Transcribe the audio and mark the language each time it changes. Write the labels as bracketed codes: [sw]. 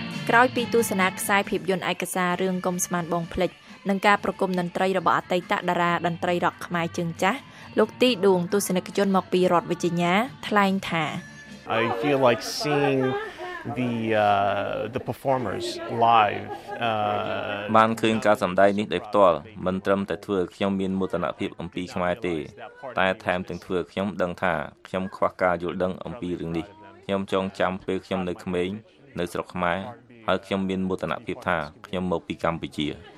[km] ក្រោយពីទស្សនាខ្សែភាពយន្តឯកសាររឿងកុំស្មានបងភ្លេចនឹងការប្រគំតន្ត្រីរបស់អតីតតារាតន្ត្រីរ៉ក់ខ្មែរជើងចាស់លោកទីដួងទស្សនិកជនមកពីរដ្ឋវិជញ្ញាថ្លែងថា [en] I feel like seeing the performers live [km] បានឃើញការសម្ដែងនេះដោយផ្ទាល់មិនត្រឹមតែធ្វើឲ្យខ្ញុំមានមោទនភាពអំពីខ្មែរទេតែថែមទាំងធ្វើឲ្យខ្ញុំដឹងថាខ្ញុំខ្វះការយល់ដឹងអំពីរឿងនេះខ្ញុំចងចាំពេលខ្ញុំនៅក្មេងនៅស្រុកខ្មែរហើយខ្ញុំមានមោទនភាពថាខ្ញុំមកពីកម្ពុជា